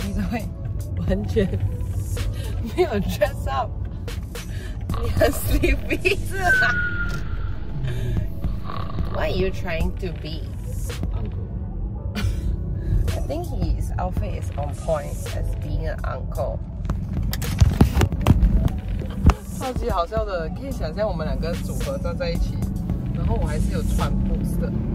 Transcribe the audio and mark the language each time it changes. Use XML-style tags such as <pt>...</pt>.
<zh>会完全没有 dress up， 你很 sleepy 是吧？</zh> <en>What are you trying to be？ I think his outfit is on point as being an uncle.</en> <zh>超级好笑的，可以想象我们两个组合站在一起，然后我还是有穿布色。</zh>